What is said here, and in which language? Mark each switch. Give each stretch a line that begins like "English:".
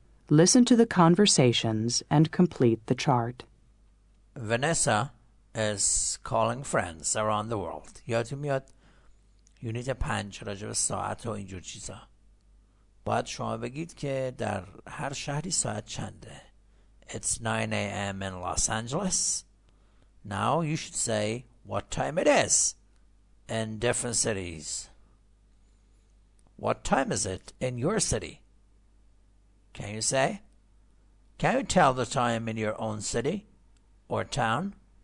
English: Listen to the conversations and complete the chart. Vanessa is calling friends around the world.
Persian: یادتون میاد یونیت 5 راجع به ساعت و اینجور چیزا. باید شما بگید که در هر شهری ساعت چنده.
English: It's 9 a.m. in Los Angeles. Now you should say what time it is in different cities. What time is it in your city? Can you say? Can you tell the time in your own city or town?